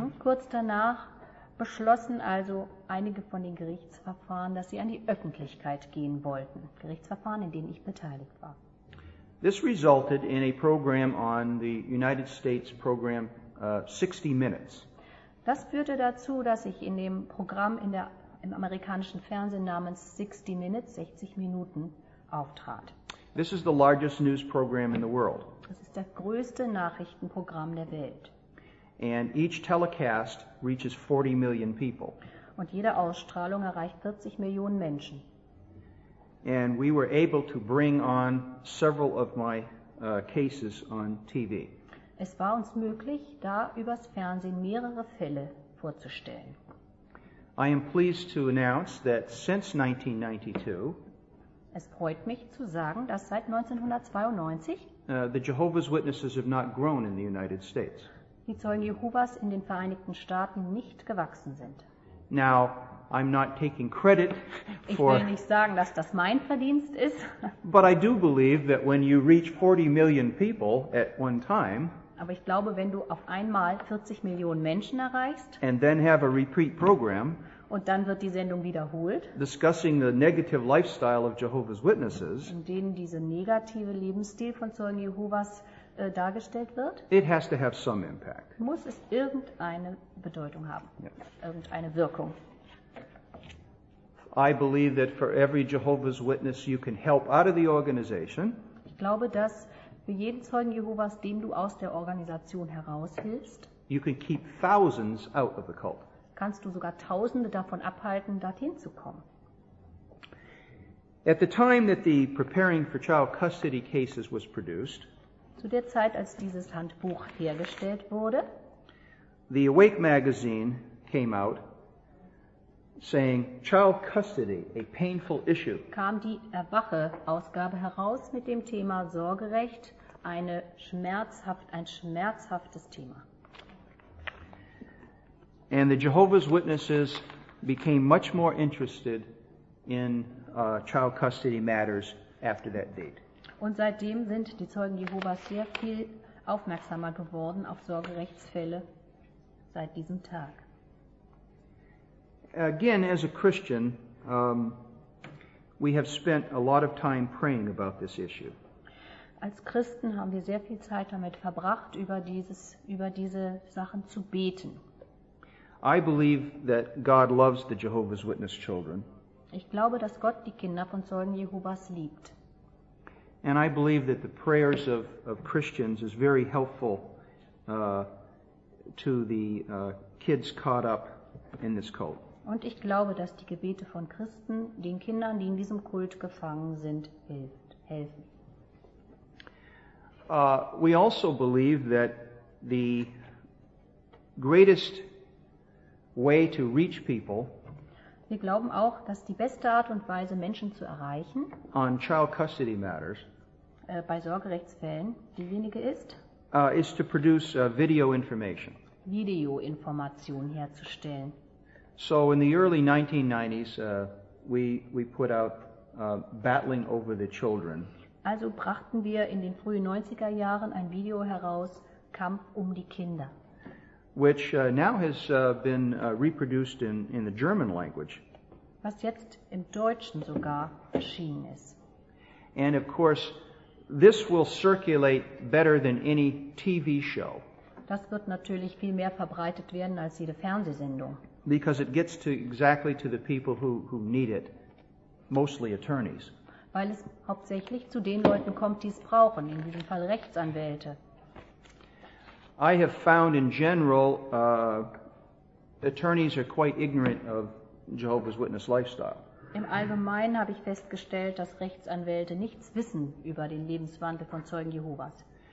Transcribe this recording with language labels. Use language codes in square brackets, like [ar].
[de] Kurz danach beschlossen also einige von den Gerichtsverfahren, dass sie an die Öffentlichkeit gehen wollten. Gerichtsverfahren, in denen ich beteiligt war. [en] This resulted in a program on the United States program 60 Minutes. [de] Das führte dazu, dass ich in dem Programm im amerikanischen Fernsehen namens 60 Minutes, 60 Minuten, auftrat. [en] This is the largest news program in the world. [de] Das ist das größte Nachrichtenprogramm der Welt. [en] And each telecast reaches 40 million people. [de] Und jede Ausstrahlung erreicht 40 Millionen Menschen. [en] And we were able to bring on several of my cases on TV. [de] Es war uns möglich, da übers Fernsehen mehrere Fälle vorzustellen. [en] I am pleased to announce that since 1992, [de] es freut mich zu sagen, dass seit 1992 [en] the Jehovah's Witnesses have not grown in the United States. [de] Die Zeugen Jehovas in den Vereinigten Staaten nicht gewachsen sind. [en] Now, I'm not taking credit for, [de] ich will nicht sagen, dass das mein Verdienst ist. [en] But I do believe that when you reach 40 million people at one time, [de] aber ich glaube, wenn du auf einmal 40 Millionen Menschen erreichst, [en] and then have a repeat program, [de] und dann wird die Sendung wiederholt, [en] discussing the negative lifestyle of Jehovah's Witnesses, [de] in denen dieser negative Lebensstil von Zeugen Jehovas dargestellt wird, [en] it has to have some impact. [de] Muss es irgendeine Bedeutung haben, yeah. Irgendeine Wirkung. [en] I believe that for every Jehovah's Witness you can help out of the organization, [de] ich glaube, dass für jeden Zeugen Jehovas, den du aus der Organisation heraushilfst, [en] you can keep thousands out of the cult. [de] Kannst du sogar Tausende davon abhalten, dorthin zu kommen. [en] At the time that the Preparing for Child Custody cases was produced, [de] zu der Zeit, als dieses Handbuch hergestellt wurde, [en] the Awake magazine came out saying, Child Custody, a painful issue. [de] Kam die Erwache-Ausgabe heraus mit dem Thema Sorgerecht, ein schmerzhaftes Thema. [en] And the Jehovah's Witnesses became much more interested in child custody matters after that date. [de] Und seitdem sind die Zeugen Jehovas sehr viel aufmerksamer geworden auf Sorgerechtsfälle seit diesem Tag. [en] Again, as a Christian, we have spent a lot of time praying about this issue. [de] Als Christen haben wir sehr viel Zeit damit verbracht, über diese Sachen zu beten. [en] I believe that God loves the Jehovah's Witness children. [de] Ich glaube, dass Gott die Kinder von Zeugen Jehovas liebt. [en] And I believe that the prayers of Christians is very helpful to the kids caught up in this cult. [de] Und ich glaube, dass die Gebete von Christen den Kindern, die in diesem Kult gefangen sind, helfen. [en] We also believe that the greatest way to reach people, [de] wir glauben auch, dass die beste Art und Weise, Menschen zu erreichen, [en] on child custody matters, [de] bei Sorgerechtsfällen, diejenige ist, [en] is to produce video information. [de] Videoinformation herzustellen. [en] So in the early 1990s, we put out Battling Over the Children. [de] Also brachten wir in den frühen 90er Jahren ein Video heraus, Kampf um die Kinder. [en] Which now has been reproduced in the German language. [de] Was jetzt im Deutschen sogar erschienen ist. [en] And of course, this will circulate better than any TV show. [de] Das wird natürlich viel mehr verbreitet werden als jede Fernsehsendung. [en] Because it gets to exactly to the people who need it, mostly attorneys. [de] Weil es hauptsächlich zu den Leuten kommt, die es brauchen, in diesem Fall Rechtsanwälte. [en] I have found in general attorneys are quite ignorant of Jehovah's Witness lifestyle. [de] Im Allgemeinen habe ich festgestellt, dass Rechtsanwälte nichts wissen über den Lebenswandel von Zeugen Jehovas.